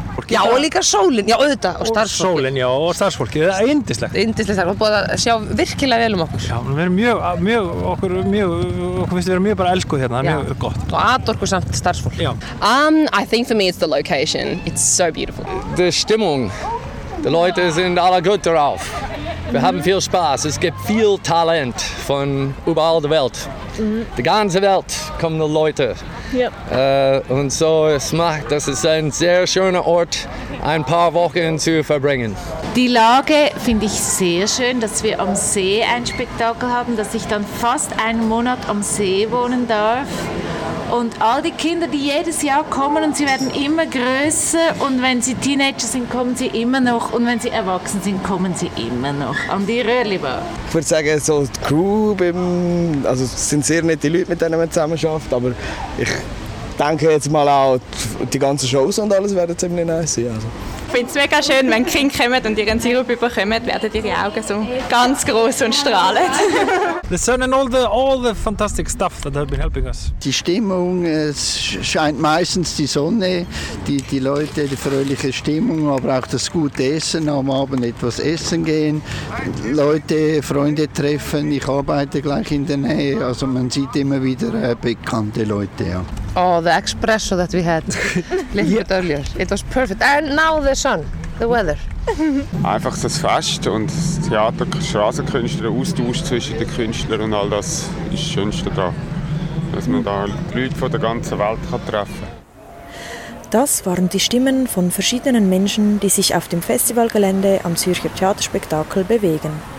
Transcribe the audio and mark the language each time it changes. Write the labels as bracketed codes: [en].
[is] Já, og líka sólin, já, auðvitað, og starfsfólki. Sólin, já, og starfsfólki, það yndislegt. Yndislegt, það búið að sjá virkilega vel okkur. Já, við erum okkur finnst að vera mjög bara elskuð hérna, það mjög gott. Og atorku samt starfsfólk. Já. [en] I think for me it's the location, it's so beautiful. [de] The Stimmung, the Leute sind alle gut drauf. Wir haben viel Spaß, es gibt viel Talent von überall der Welt. Die ganze Welt kommen die Leute. Yep. Und so es macht, dass es ein sehr schöner Ort, ein paar Wochen zu verbringen. Die Lage finde ich sehr schön, dass wir am See ein Spektakel haben, dass ich dann fast einen Monat am See wohnen darf. Und all die Kinder, die jedes Jahr kommen und sie werden immer größer und wenn sie Teenager sind, kommen sie immer noch und wenn sie erwachsen sind, kommen sie immer noch an die Röhrliber. Ich würde sagen, so die Crew, also es sind sehr nette Leute, mit denen man zusammen arbeitet, aber ich denke jetzt mal auch, die ganzen Shows und alles werden ziemlich nice sein. Also. Ich finde es mega schön, wenn die Kinder kommen und ihren Sirup bekommen, werden ihre Augen so ganz gross und strahlen. [en] The sun and all the fantastic stuff that have been helping us. [de] Die Stimmung, es scheint meistens die Sonne, die Leute, die fröhliche Stimmung, aber auch das gute Essen, am Abend etwas essen gehen, Leute, Freunde treffen, ich arbeite gleich in der Nähe, also man sieht immer wieder bekannte Leute. Ja. [en] Oh, the espresso that we had a little bit earlier. It was perfect. And now the sun, the weather. [de] Einfach das Fest und das Theater, Straßenkünstler, Austausch zwischen den Künstlern und all das ist das Schönste da. Dass man da Leute von der ganzen Welt treffen kann. Das waren die Stimmen von verschiedenen Menschen, die sich auf dem Festivalgelände am Zürcher Theaterspektakel bewegen.